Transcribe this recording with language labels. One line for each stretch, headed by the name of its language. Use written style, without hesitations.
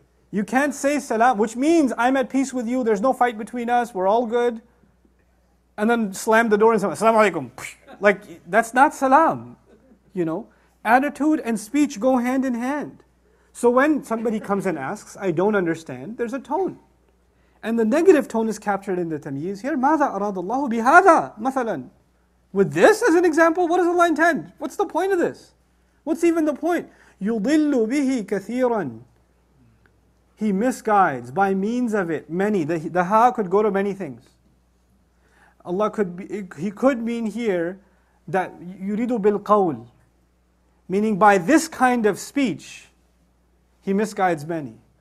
English: You can't say salam, which means, I'm at peace with you, there's no fight between us, we're all good. And then slam the door and say, Assalamu alaikum. Like, that's not salam, you know. Attitude and speech go hand in hand. So when somebody comes and asks, I don't understand, there's a tone. And the negative tone is captured in the tamyiz here.
Arabic: ماذا أراد الله بهذا مثلا.
English: With this as an example, what does Allah intend? What's the point of this? What's even the point?
Arabic: يُضِلُّ بِهِ كَثِيرًا.
English: He misguides by means of it many. The ha could go to many things. Allah could be, He could mean here that
Arabic: yuridu bil qawl,
English: meaning by this kind of speech, He misguides many.